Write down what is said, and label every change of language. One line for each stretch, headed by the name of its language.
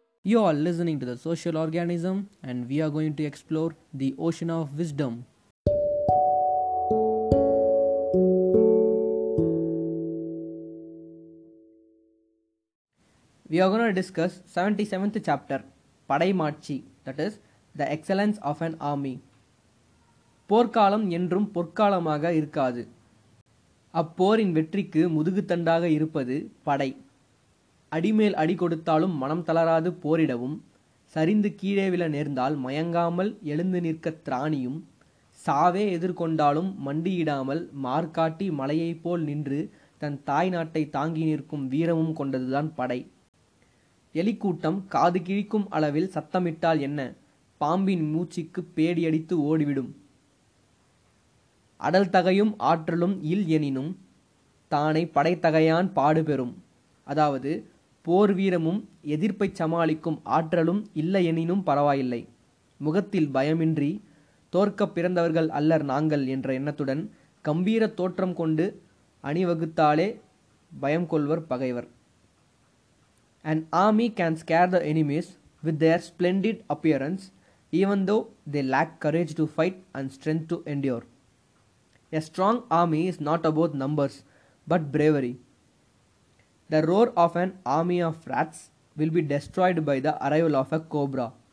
English: You are listening to The Social Organism, and we are going to explore the ocean of wisdom. We are going to discuss 77th chapter, Padai Maatchi, that is, the excellence of an army.
Tamil: போர்க்காலம் என்றும் பொற்காலமாக இருக்காது. அப்போரின் வெற்றிக்கு முதுகுத்தண்டாக இருப்பது படை. அடிமேல் அடி கொடுத்தாலும் மனம் தளராது போரிடவும், சரிந்து கீழே விழ நேர்ந்தால் மயங்காமல் எழுந்து நிற்க திராணியும், சாவே எதிர்கொண்டாலும் மண்டியிடாமல் மார்காட்டி மலையைப் போல் நின்று தன் தாய் நாட்டை தாங்கி நிற்கும் வீரமும் கொண்டதுதான் படை. எலிக்கூட்டம் காது கிழிக்கும் அளவில் சத்தமிட்டால் என்ன? பாம்பின் மூச்சுக்கு பேடியடித்து ஓடிவிடும். அடல் தகையும் ஆற்றலும் இல் எனினும் தானை படைத்தகையான் பாடுபெறும். அதாவது போர் வீரமும் எதிர்ப்பை சமாளிக்கும் ஆற்றலும் இல்லை எனினும் பரவாயில்லை. முகத்தில் பயமின்றி தோற்க பிறந்தவர்கள் அல்லர் நாங்கள் என்ற எண்ணத்துடன் கம்பீர தோற்றம் கொண்டு அணிவகுத்தாலே பயம் கொள்வர் பகைவர்.
English: An army can scare the enemies with their splendid appearance even though they lack courage to fight and strength to endure. A strong army is not about numbers, but bravery. The roar of an army of rats will be destroyed by the arrival of a cobra.